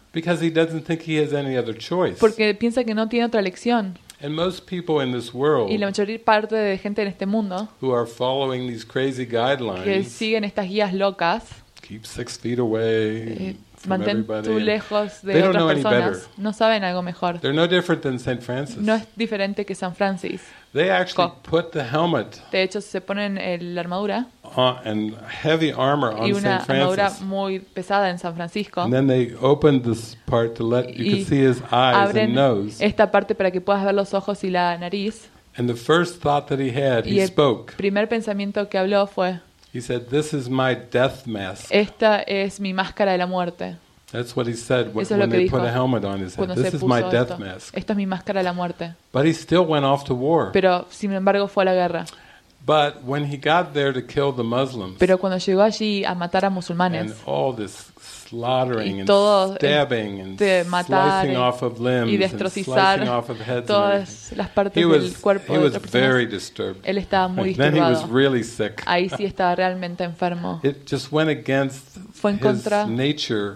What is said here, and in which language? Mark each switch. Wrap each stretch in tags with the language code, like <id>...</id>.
<en>Because he doesn't think he has any other choice.</en> <es>Porque piensa que no tiene otra elección.</es> <en>And most people in this world,</en> <es>y la mayoría parte de gente en este mundo,</es> <en>who are following these crazy guidelines,</en> <es>que siguen estas guías locas,</es> <en>keep 6 feet away.</en> <es>Mantén tú lejos de</es> <en>they</en> <es>otras</es> <en>don't know</en> <es>personas.</es> <en>Any better.</en> <es>No saben algo mejor.</es> <en>They're no different than Saint Francis.</en> <es>No es diferente que San Francis.</es> <en>They actually put the helmet.</en> <es>De hecho, se ponen la armadura.</es> <en>And heavy armor on</en> <es>y una</es> <en>Saint Francis.</en> <es>Armadura muy pesada en San Francisco.</es> <en>And then they opened this part to let you could see his eyes and nose.</en> <es>Esta parte para que puedas ver los ojos y la nariz.</es> <en>And the first thought that he had,</en> <es>y</es> <en>he spoke.</en> <es>El primer pensamiento que habló fue.</es> <en>He said, "This is my death mask."</en> <es>Esta es mi máscara de la muerte.</es> <en>That's what he said when they put a helmet on his head. This is my death mask.</en> <es>Esta es mi máscara de la muerte.</es> <en>But he still went off to war.</en> <es>Pero sin embargo fue a la guerra.</es> <en>But when he got there to kill the Muslims.</en> <es>Pero cuando llegó allí a matar a musulmanes.</es> <en>And all this slaughtering and stabbing and slicing off of limbs and slicing off of heads.</en> <es>Todas las partes del cuerpo.</es> <en>He was very disturbed.</en> <es>Él estaba muy disturbado.</es> <en>Then he was really sick.</en> <es>Ahí sí estaba realmente enfermo.</es> <en>It just went against his nature,</en>